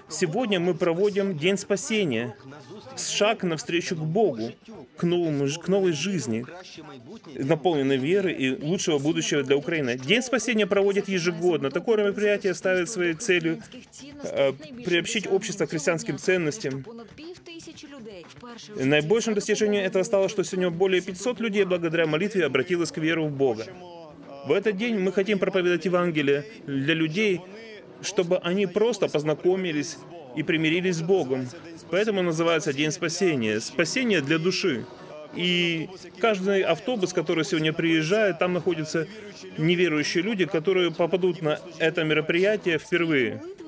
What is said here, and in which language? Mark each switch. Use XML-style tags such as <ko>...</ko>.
<ru>Сегодня мы проводим День спасения, шаг навстречу к Богу, к новой жизни, наполненной верой и лучшего будущего для Украины. День спасения проводят ежегодно. Такое мероприятие ставит своей целью приобщить общество к христианским ценностям.</ru> <uk>тисяч людей. Найбільшим досягненням цього стало, що сьогодні більше 500 людей</uk> <ru>благодаря</ru> <uk>молитві</uk> <ru>обратились к</ru> <uk>вірі в Бога.</uk> <ru>В этот день мы хотим проповедовать Евангелие для людей, чтобы они просто познакомились и примирились с Богом. Поэтому называется День спасения. Спасение для души. И каждый автобус, который сегодня приезжает, там находятся неверующие люди, которые попадут на это мероприятие впервые.</ru>